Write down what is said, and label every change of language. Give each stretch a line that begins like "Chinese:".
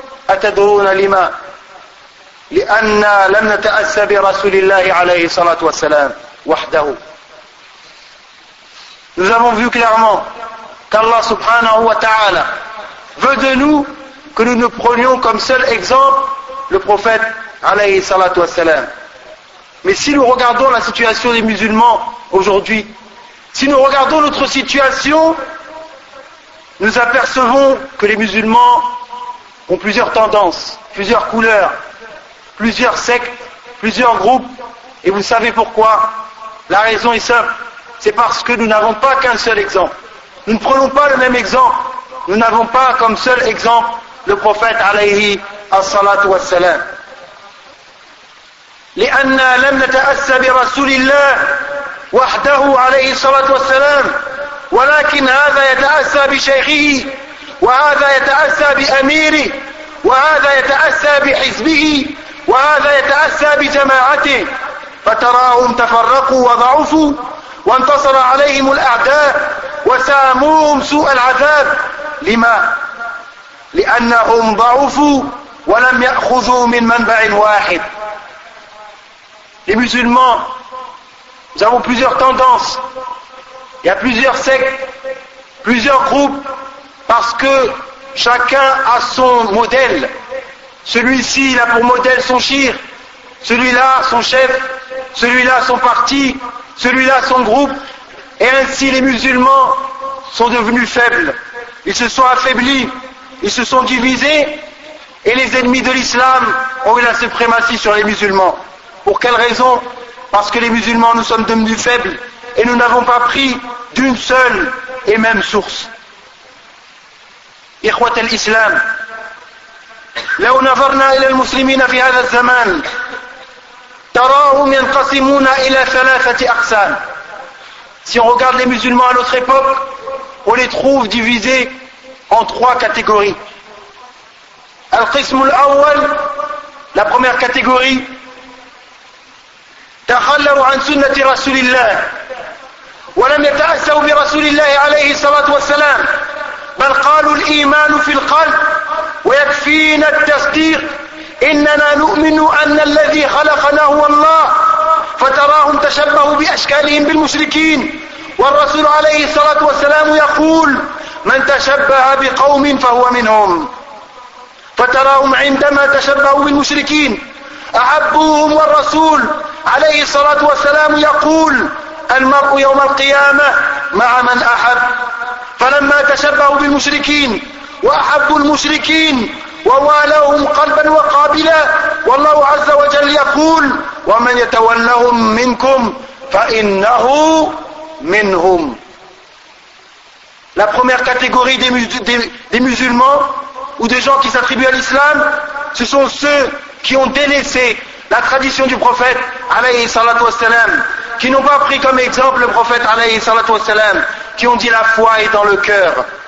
Arabic: أتدرون لما؟ لأن لم نتأسى برسول الله عليه الصلاة والسلام وحده.
French: Nous avons vu clairement qu'Allah subhanahu wa ta'ala veut de nous que nous prenions comme seul exemple le prophète عليه الصلاة والسلام. Mais si nous regardons la situation des musulmans aujourd'hui, si nous regardons notre situation, nous apercevons que les musulmans ont plusieurs tendances, plusieurs couleurs, plusieurs sectes, plusieurs groupes. Et vous savez pourquoi? La raison est simple. C'est parce que nous n'avons pas qu'un seul exemple. Nous ne prenons pas le même exemple. Nous n'avons pas comme seul exemple le prophète alayhi as-salatu wa salam.
Arabic: لِأَنَّا لَمْ نَتَأَسَّ بِرَسُولِ اللَّهِ وَحْدَهُ عَلَيْهِ الصَّلَاةُ وَالسَّلَامُ وَلَكِنْ هَذَا يَتَأَسَّ بِشَيْخِهِ وهذا يتأسى بأميره وهذا يتأسى بحزبه وهذا يتأسى بجماعته فتراهم تفرقوا وضعفوا وانتصر عليهم الأعداء وساموهم سوء العذاب. لما؟ لأنهم ضعفوا ولم يأخذوا من منبع واحد.
French: Les musulmans, nous avons plusieurs tendances, il y a plusieurs sectes, plusieurs groupes. Parce que chacun a son modèle. Celui-ci, il a pour modèle son chir. Celui-là, son chef. Celui-là, son parti. Celui-là, son groupe. Et ainsi, les musulmans sont devenus faibles. Ils se sont affaiblis. Ils se sont divisés. Et les ennemis de l'islam ont eu la suprématie sur les musulmans. Pour quelle raison? Parce que les musulmans, nous sommes devenus faibles. Et nous n'avons pas pris d'une seule et même source.
Arabic: إخوة الإسلام لو نظرنا إلى المسلمين في هذا الزمان تراهم ينقسمون إلى ثلاثة أقسام.
French: Si on regarde les musulmans à notre époque, on les trouve divisés en trois catégories.
Arabic: القسم الأول,
French: la première catégorie,
Arabic: تخلوا عن سنة رسول الله ولم يتأسوا برسول الله عليه الصلاة والسلام، بل قالوا الإيمان في القلب ويكفينا التصديق، إننا نؤمن أن الذي خلقنا هو الله. فتراهم تشبهوا بأشكالهم بالمشركين، والرسول عليه الصلاة والسلام يقول: من تشبه بقوم فهو منهم. فتراهم عندما تشبهوا بالمشركين أحبوهم، والرسول عليه الصلاة والسلام يقول: المرء يوم القيامة مع من أحب. فلما تشبهوا بالمشركين وأحبوا المشركين ووالوهم قلبا وقابلا، والله عز وجل يقول: ومن يتولهم منكم فإنه منهم.
French: La première catégorie des musulmans ou des gens qui s'attribuent à l'islam, ce sont ceux qui ont délaissé la tradition du prophète alayhi salatu wassalam, qui n'ont pas pris comme exemple le prophète alayhi salatu wassalam, qui ont dit: la foi est dans le cœur.